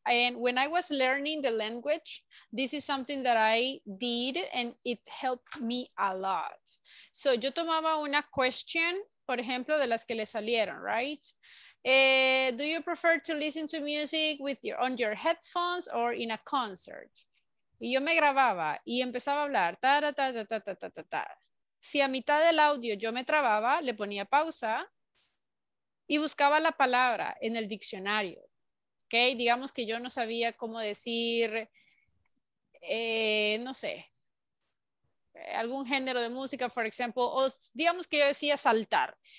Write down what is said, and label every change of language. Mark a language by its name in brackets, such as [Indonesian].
[English] And when I was learning the language, this is something that I did and it helped me a lot. [Spanish] So yo tomaba una question, por ejemplo, de las que le salieron, right? [English] Do you prefer to listen to music with your on your headphones or in a concert? [Spanish] Y yo me grababa y empezaba a hablar, ta ta ta ta ta ta ta ta. Si a mitad del audio yo me trababa, le ponía pausa y buscaba la palabra en el diccionario. Okay, digamos que yo no sabía cómo decir, no sé, algún género de música, [English] for example, [Spanish] o digamos que yo decía saltar.